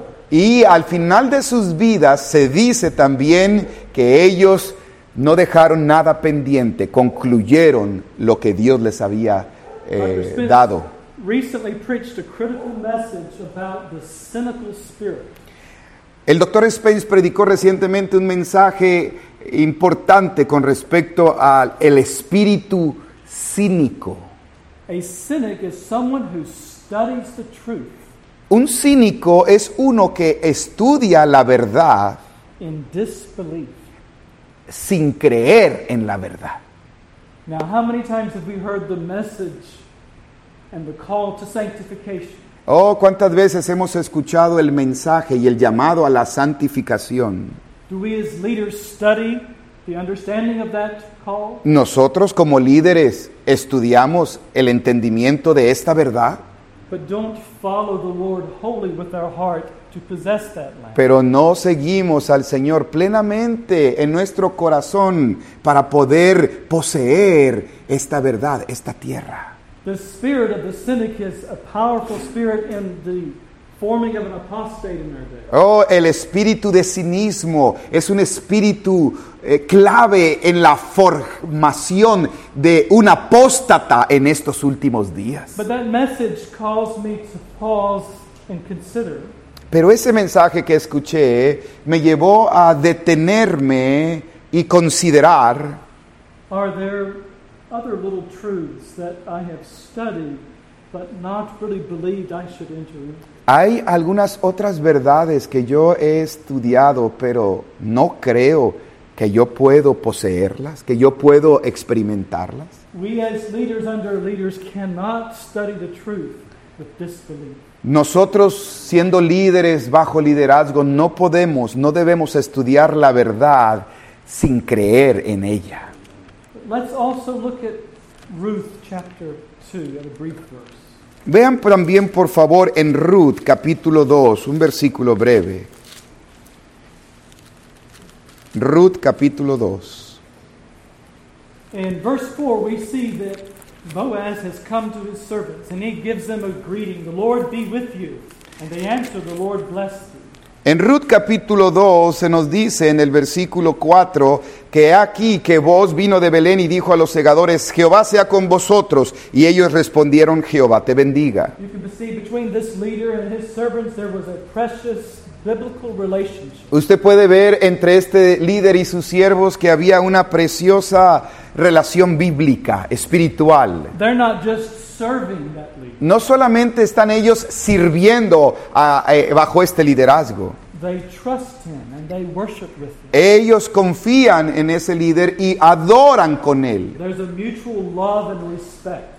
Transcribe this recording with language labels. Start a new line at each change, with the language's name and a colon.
Spanish: Y al final de sus vidas se dice también que ellos no dejaron nada pendiente, concluyeron lo que Dios les había dado.
English: Recently preached a critical message about the cynical spirit.
Spanish: El Dr. Spence predicó recientemente un mensaje importante con respecto al espíritu cínico.
English: A cynic is someone who studies the truth.
Spanish: Un cínico es uno que estudia la verdad
English: in disbelief.
Spanish: Sin creer en la verdad.
English: Now, how many times have we heard the message and the call to sanctification?
Spanish: Oh, ¿cuántas veces hemos escuchado el mensaje y el llamado a la santificación?
English: Do we as leaders study the understanding of that call?
Spanish: ¿Nosotros como líderes estudiamos el entendimiento de esta verdad?
English: But don't follow the Lord wholly with our heart to possess that land.
Spanish: Pero no seguimos al Señor plenamente en nuestro corazón para poder poseer esta verdad, esta tierra.
English: The spirit of the cynic is a powerful spirit in the forming of an apostate in their day.
Spanish: Oh, el espíritu de cinismo es un espíritu clave en la formación de un apóstata en estos últimos días.
English: But that message caused me to pause and consider.
Spanish: Pero ese mensaje que escuché me llevó a detenerme y considerar.
English: Are there other little truths that I have studied but not really believed I should enter into?
Spanish: Hay algunas otras verdades que yo he estudiado pero no creo que yo puedo poseerlas, que yo puedo experimentarlas.
English: We as leaders under leaders cannot study the truth with disbelief.
Spanish: Nosotros siendo líderes bajo liderazgo no podemos, no debemos estudiar la verdad sin creer en ella.
English: Let's also look at Ruth chapter 2, a brief verse.
Spanish: Vean también, por favor, en Ruth capítulo 2, un versículo breve. Ruth capítulo 2.
English: In verse 4, we see that Boaz has come to his servants and he gives them a greeting. The Lord be with you. And they answer, the Lord bless you.
Spanish: En Ruth capítulo 2 se nos dice en el versículo 4 que aquí que vos vino de Belén y dijo a los segadores, Jehová sea con vosotros. Y ellos respondieron, Jehová te bendiga.
English: You can see between this leader and his servants there was a precious biblical relationship.
Spanish: Usted puede ver entre este líder y sus siervos que había una preciosa relación bíblica, espiritual.
English: They're not just serving that leader.
Spanish: No solamente están ellos sirviendo bajo este liderazgo.
English: They trust him and they worship with him.
Spanish: Ellos confían en ese líder y adoran con él.
English: There's a mutual love and respect.